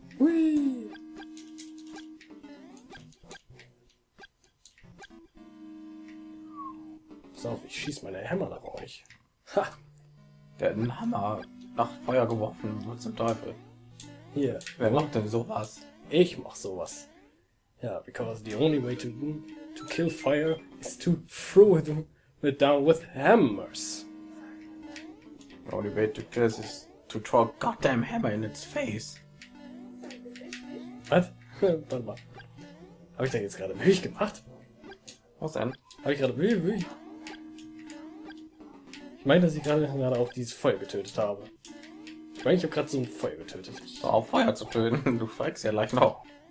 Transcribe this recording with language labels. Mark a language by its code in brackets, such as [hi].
[de] Hui! Pass auf, ich schieß meine Hammer nach euch. Ha! Der hat einen Hammer nach Feuer geworfen, was zum Teufel. Hier. Wer macht denn sowas? Ich mach sowas. [en] Ja, because the only way to kill fire is to throw it. We're down with hammers. The only way to kill is to throw a goddamn hammer in its face. What? [de] Warte mal. Hab ich denn jetzt gerade wirklich gemacht? Was denn? Hab ich gerade wirklich. Ich meine, dass ich gerade auch dieses Feuer getötet habe. Ich meine, ich habe gerade so ein Feuer getötet. Oh, auf Feuer zu töten? Du verreckst ja gleich noch.